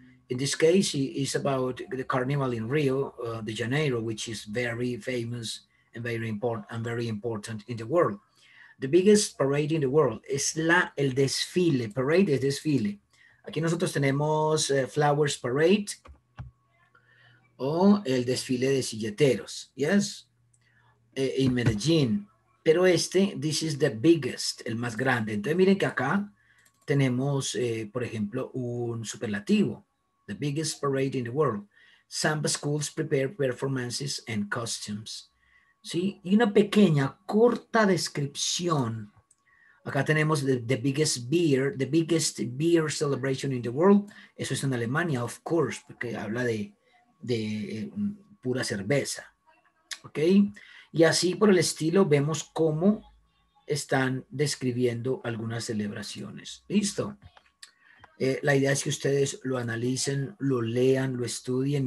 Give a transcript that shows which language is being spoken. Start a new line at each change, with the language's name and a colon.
English: In this case, it is about the carnival in Rio de Janeiro, which is very famous and very important in the world. The biggest parade in the world is el desfile,
Spanish: parade es desfile. Aquí nosotros tenemos Flowers Parade o el desfile de silleteros, yes, en Medellín. Pero este,
English: this is the biggest,
Spanish: el más grande. Entonces miren que acá tenemos, por ejemplo, un superlativo.
English: The biggest parade in the world. Samba schools prepare performances and costumes. ¿Sí?
Spanish: Y una pequeña, corta descripción Acá tenemos
English: the biggest beer celebration in the world.
Spanish: Eso es en Alemania, of course, porque habla de pura cerveza. ¿Ok? Y así por el estilo vemos cómo están describiendo algunas celebraciones. ¿Listo? La idea es que ustedes lo analicen, lo lean, lo estudien.